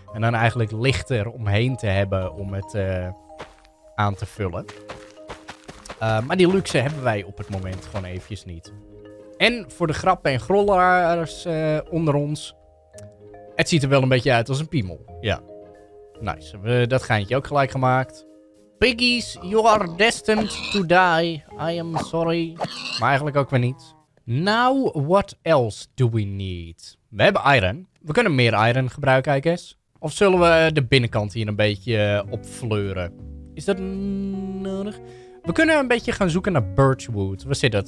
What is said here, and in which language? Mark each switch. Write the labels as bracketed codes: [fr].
[nl] En dan eigenlijk lichter omheen te hebben. Om het... aan te vullen. Maar die luxe hebben wij op het moment gewoon eventjes niet. En voor de grappen en grollers onder ons. Het ziet er wel een beetje uit als een piemel. Ja. Nice. We dat geintje ook gelijk gemaakt. [en] Piggies, you are destined to die. I am sorry. [nl] Maar eigenlijk ook weer niet. [en] Now, what else do we need? [nl] We hebben iron. We kunnen meer iron gebruiken, [en] I guess. [nl] Of zullen we de binnenkant hier een beetje opfleuren? Is dat nodig? We kunnen een beetje gaan zoeken naar birchwood. Waar zit dat?